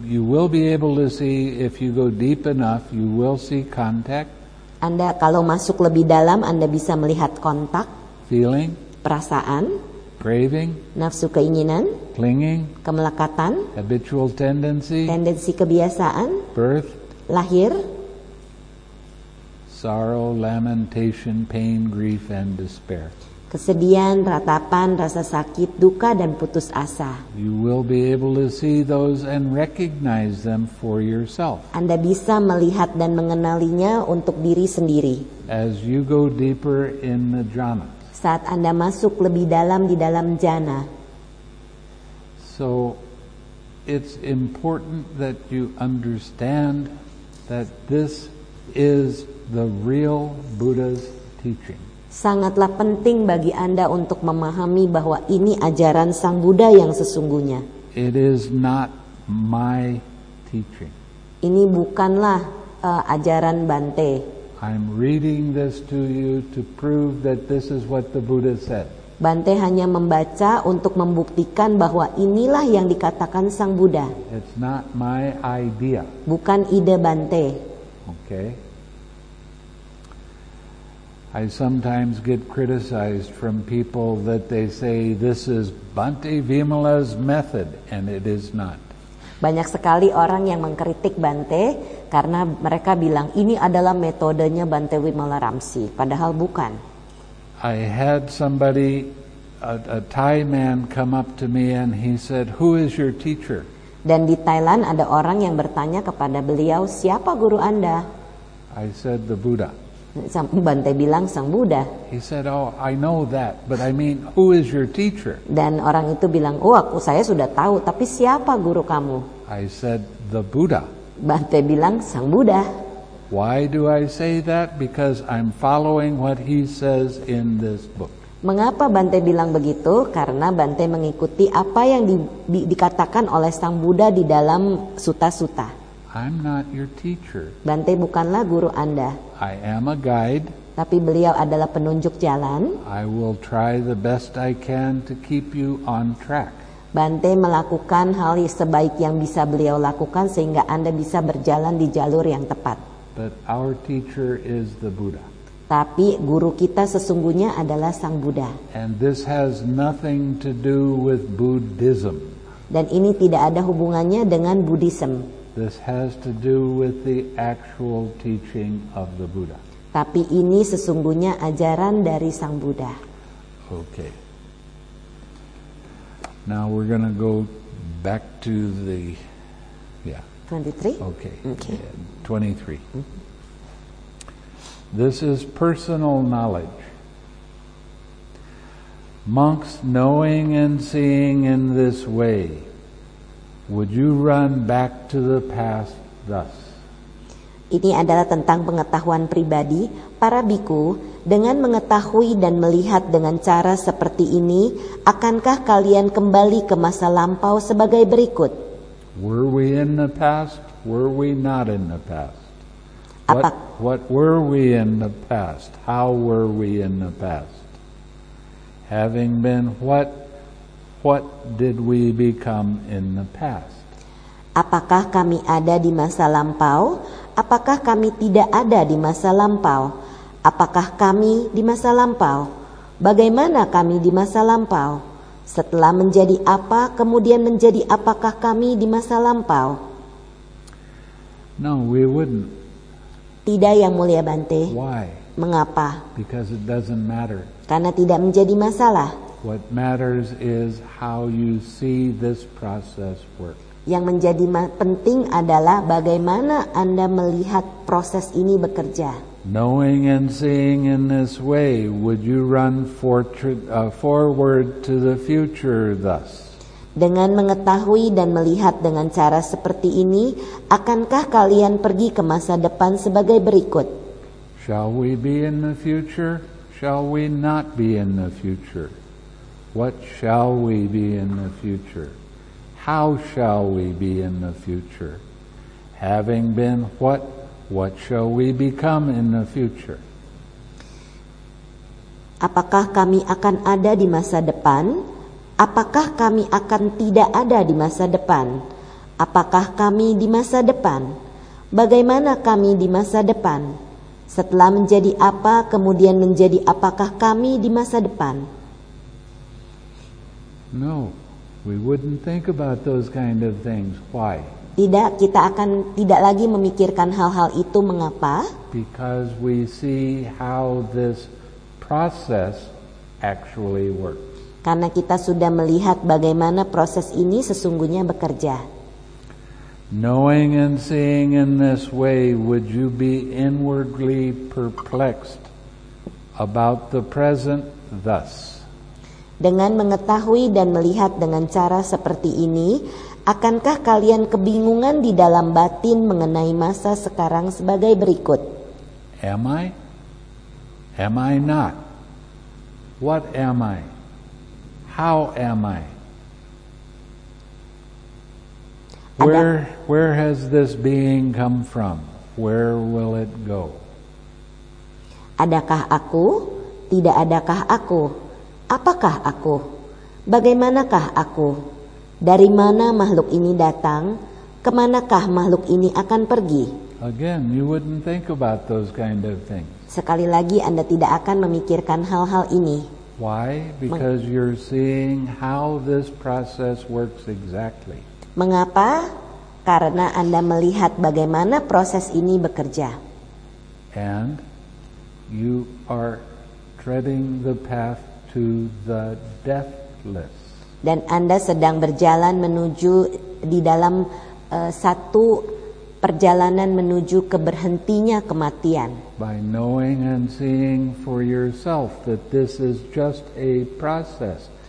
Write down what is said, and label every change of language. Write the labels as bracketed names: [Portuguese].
[English] You will be able to see if you go deep enough, you will see contact. [Indonesian] Anda kalau masuk lebih dalam, Anda bisa melihat kontak. [English] Feeling. [Indonesian] Perasaan. [English] Craving. [Indonesian] Nafsu keinginan. [English] Clinging. [Indonesian] Kemelekatan. [English] Habitual tendency. [Indonesian] Tendensi kebiasaan. [English] Birth. [Indonesian] Lahir. [English] Sorrow, lamentation, pain, grief, and despair. [Indonesian] Kesedihan, ratapan, rasa sakit, duka, dan putus asa. [English] You will be able to see those and recognize them for yourself. [Indonesian] Anda bisa melihat dan mengenalinya untuk diri sendiri. [English] As you go deeper in the jhana. [Indonesian] Saat Anda masuk lebih dalam di dalam jhana. [English] So, it's important that you understand that this is the real Buddha's teaching. [Indonesian] Sangatlah penting bagi Anda untuk memahami bahwa ini ajaran Sang Buddha yang sesungguhnya. [English] It is not my teaching. [Indonesian] Ini bukanlah ajaran Bante. [English] I'm reading this to you to prove that this is what the Buddha said. [Indonesian] Bante hanya membaca untuk membuktikan bahwa inilah yang dikatakan Sang Buddha. [English] It's not my idea. [Indonesian] Bukan ide Bante. [English] Okay. I sometimes get criticized from people that they say this is Bhante Vimala's method, and it is not. [Indonesian] Banyak sekali orang yang mengkritik Bhante karena mereka bilang ini adalah metodenya Bhante Vimala Ramsey, padahal bukan. [English] I had somebody, a Thai man, come up to me and he said, "Who is your teacher?" [Indonesian] Dan di Thailand ada orang yang bertanya kepada beliau, siapa guru Anda? [English] I said the Buddha. [Indonesian] Bante bilang Sang Buddha. [English] He said, oh, I know that, but I mean, who is your teacher? [Indonesian] Dan orang itu bilang, oh, aku saya sudah tahu, tapi siapa guru kamu? [English] I said the Buddha. [Indonesian] Bante bilang Sang Buddha. [English] Why do I say that? Because I'm following what he says in this book. [Indonesian] Mengapa Bante bilang begitu? Karena Bante mengikuti apa yang dikatakan oleh Sang Buddha di dalam sutta-sutta. [English] I'm not your teacher. [Indonesian] Bante bukanlah guru Anda. [English] I am a guide. [Indonesian] Tapi beliau adalah penunjuk jalan. [English] I will try the best I can to keep you on track. [Indonesian] Bante melakukan hal sebaik yang bisa beliau lakukan sehingga Anda bisa berjalan di jalur yang tepat. [English] But our teacher is the Buddha. [Indonesian] Tapi guru kita sesungguhnya adalah Sang Buddha. [English] And this has nothing to do with Buddhism. [Indonesian] Dan ini tidak ada hubungannya dengan Buddhism. [English] This has to do with the actual teaching of the Buddha. [Indonesian] Tapi ini sesungguhnya ajaran dari Sang Buddha. [English] Okay. Now we're going to go back to the 23. Okay. Yeah, 23. This is personal knowledge. Monks knowing and seeing in this way, would you run back to the past thus? [Indonesian] Ini adalah tentang pengetahuan pribadi. Para bhikkhu, dengan mengetahui dan melihat dengan cara seperti ini, akankah kalian kembali ke masa lampau sebagai berikut? [English] Were we in the past? Were we not in the past? What were we in the past? How were we in the past? Having been what did we become in the past? [Indonesian] Apakah kami ada di masa lampau? Apakah kami tidak ada di masa lampau? Apakah kami di masa lampau? Bagaimana kami di masa lampau? Setelah menjadi apa, kemudian menjadi apakah kami di masa lampau? [English] No, we wouldn't. [Indonesian] Tidak, Yang Mulia Bante. [English] Why? [Indonesian] Mengapa? [English] Because it doesn't matter. [Indonesian] Karena tidak menjadi masalah. [English] What matters is how you see this process work. [Indonesian] Yang menjadi penting adalah bagaimana Anda melihat proses ini bekerja. [English] Knowing and seeing in this way, would you run forward to the future thus? [Indonesian] Dengan mengetahui dan melihat dengan cara seperti ini, akankah kalian pergi ke masa depan sebagai berikut? [English] Shall we be in the future? Shall we not be in the future? What shall we be in the future? How shall we be in the future? Having been what shall we become in the future? [Indonesian] Apakah kami akan ada di masa depan? Apakah kami akan tidak ada di masa depan? Apakah kami di masa depan? Bagaimana kami di masa depan? Setelah menjadi apa, kemudian menjadi apakah kami di masa depan? [English] No, we wouldn't think about those kind of things. Why? [Indonesian] Tidak, kita akan tidak lagi memikirkan hal-hal itu. Mengapa? [English] Because we see how this process actually works. [Indonesian] Karena kita sudah melihat bagaimana proses ini sesungguhnya bekerja. [English] Knowing and seeing in this way, would you be inwardly perplexed about the present thus? [Indonesian] Dengan mengetahui dan melihat dengan cara seperti ini, akankah kalian kebingungan di dalam batin mengenai masa sekarang sebagai berikut? [English] Am I? Am I not? What am I? How am I? Where has this being come from? Where will it go? [Indonesian] Adakah aku? Tidak adakah aku? Apakah aku? Bagaimanakah aku? Dari mana makhluk ini datang? Kemanakah makhluk ini akan pergi? [English] Again, you wouldn't think about those kind of things. [Indonesian] Sekali lagi, Anda tidak akan memikirkan hal-hal ini. [English] Why? Because you're seeing how this process works exactly. [Indonesian] Mengapa? Karena Anda melihat bagaimana proses ini bekerja. [English] And you are treading the path to the deathless. [Indonesian] Dan Anda sedang berjalan menuju di dalam satu perjalanan menuju keberhentinya kematian. [English] By knowing and seeing for yourself that this is just a process.